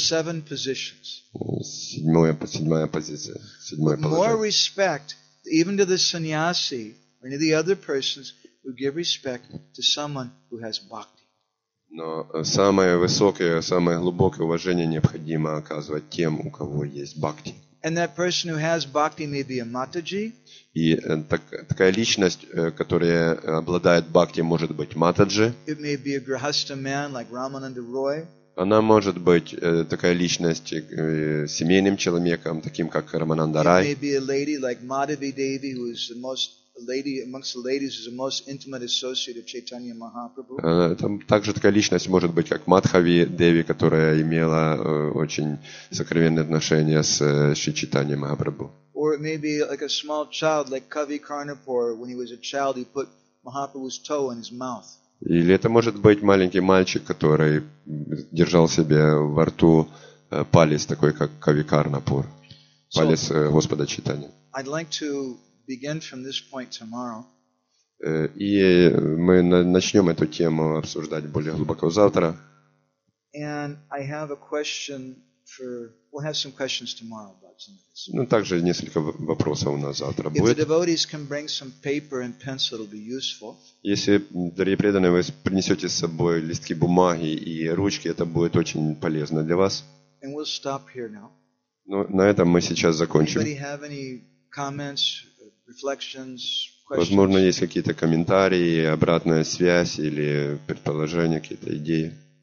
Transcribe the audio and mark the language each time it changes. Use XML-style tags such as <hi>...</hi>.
<en>That's seven positions.</en> <ru>Седьмая позиция, седьмое положение.</ru> <en>More respect, even to the sannyasi, or any of the other persons, we give respect to someone who has bhakti.</en> <ru>Но самое высокое, самое глубокое уважение необходимо оказывать тем, у кого есть бхакти.</ru> <en>And that person who has bhakti may be a mataji.</en> <ru>И такая личность, которая обладает бхакти, может быть матаджи.</ru> <en>It may be a grihastha man like Ramananda Roy.</en> <ru>Она может быть такая личность семейным человеком, таким как Рамананда Рай.</ru> <en>It may be a lady like Madhavi Devi, who is the most lady amongst the ladies, who is the most intimate associate of Chaitanya Mahaprabhu.</en> <ru>Там также такая личность может быть как Мадхави Деви, которая имела очень сокровенные отношения с Шри Чайтаньей Махапрабху.</ru> <en>Or it may be like a small child, like Kavi Karnapur, when he was a child, he put Mahaprabhu's toe in his mouth.</en> <ru>Или это может быть маленький мальчик, который держал себе во рту палец, такой как Кавикарнапур, палец Господа Чайтаньи.</ru> <en>I'd like to begin from this point tomorrow.</en> <ru>И мы начнем эту тему обсуждать более глубоко завтра.</ru> <en>And I have a question for... We'll have some questions tomorrow about some of this.</en> <ru>Ну, также несколько вопросов у нас завтра</ru> <en>If</en> <ru>будет.</ru> <en>If the devotees can bring some paper and pencil, it'll be useful.</en> <ru>Если, дорогие преданные, вы принесете с собой листки бумаги и ручки, это будет очень полезно для вас.</ru> <en>And we'll stop here now.</en> <ru>Ну, на этом мы сейчас закончим.</ru> <en>Anybody have any comments, reflections, questions?</en> <ru>Возможно, есть какие-то комментарии, обратная связь или предположения, какие-то идеи.</ru>